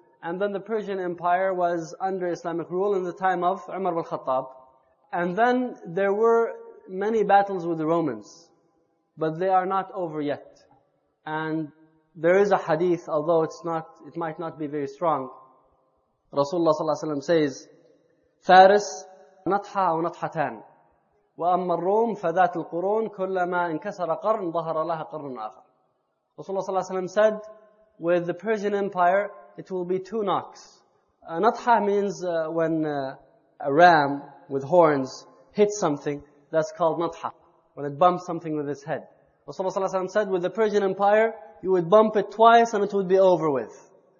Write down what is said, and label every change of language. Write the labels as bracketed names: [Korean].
[English] And then the Persian Empire was under Islamic rule in the time of Umar al-Khattab. And then there were many battles with the Romans, but they are not over yet. And there is a hadith, although it might not be very strong. Rasulullah sallallahu alayhi wa sallam says, [Arabic] فارس نطحة أو نطحتان وأما الروم فذات القرون كلما انكسر قرن ظهر لها قرن آخر. [English] Rasulullah sallallahu alayhi wa sallam said, with the Persian Empire, it will be two knocks. Natha means when a ram with horns hits something, that's called natha, when it bumps something with its head. Rasulullah sallallahu alayhi wa sallam said, with the Persian Empire, you would bump it twice and it would be over with.